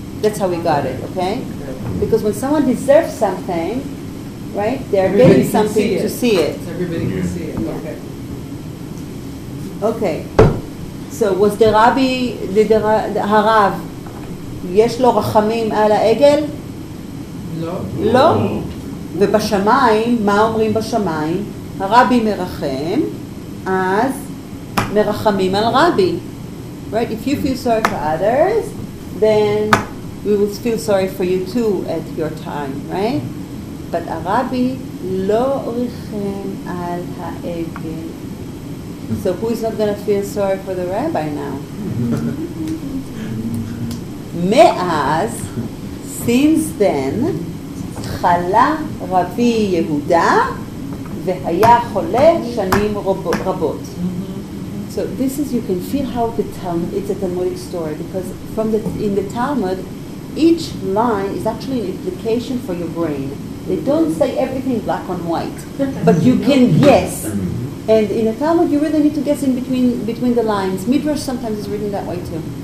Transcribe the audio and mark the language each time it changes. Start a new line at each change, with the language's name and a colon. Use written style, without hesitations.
English: That's how we got it, okay? Because when someone deserves something, right, they're everybody getting something see to see it. Everybody can see it, yeah. Okay. Okay. So was the rabbi, the harav,
Hebrew: יש לו רחמים על העגל? לא. לא? ובשמיים, מה אומרים בשמיים? הרבי מרחם, אז מרחמים על רבי.
English: Right? If you feel sorry for others, then we will feel sorry for you too at your time, right?
Hebrew: But הרבי לא רחם על העגל.
English: So who is not going to feel sorry for the rabbi now?
Hebrew: מאז,
English: since then,
Hebrew: תחלה רבי יהודה והיה חולה שנים רבות.
English: So this is, you can feel how the Talmud, it's a Talmudic story, because from the in the Talmud, each line is actually an implication for your brain. They don't say everything black and white, but you can guess. And in a Talmud, you really need to guess in between the lines. Midrash sometimes is written that way too.